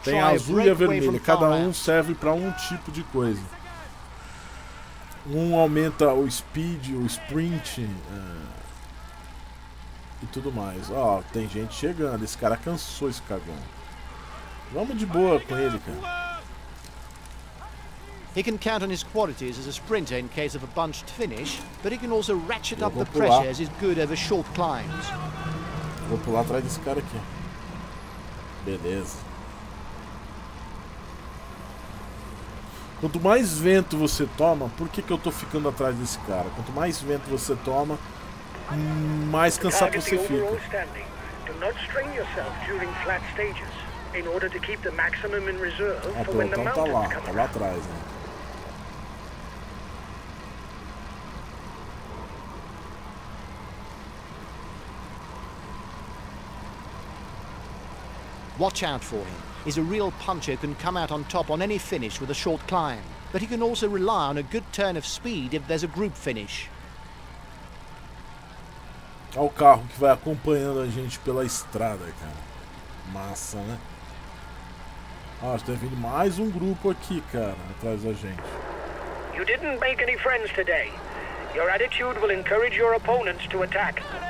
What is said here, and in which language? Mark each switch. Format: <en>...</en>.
<pt>Tem a azul e a vermelha. Cada um serve para um tipo de coisa. Um aumenta o speed, o sprint e tudo mais. Ó, tem gente chegando. Esse cara cansou, esse cagão. Vamos de boa com ele, cara.</pt> <en>He can count on his qualities as a sprinter in case of a bunched finish, but he can also ratchet up the pressure as he's good over short climbs.</en> <pt>Vou pular atrás desse cara aqui. Beleza. Quanto mais vento você toma, por que que eu tô ficando atrás desse cara? Quanto mais vento você toma, mais cansado você fica.</pt> <en>Do not strain yourself during flat stages in order to keep the maximum in reserve for when the mountain comes.</en> <pt>Tá lá atrás, né?</pt> <en>Watch out for him. He's a real puncher who can come out on top on any finish with a short climb. But he can also rely on a good turn of speed if there's a group finish.</en> <pt>Olha o carro que vai acompanhando a gente pela estrada, cara. Massa, né? Ah, está vindo mais um grupo aqui, cara, atrás da gente.</pt> <en>You didn't make any friends today. Your attitude will encourage your opponents to attack.</en>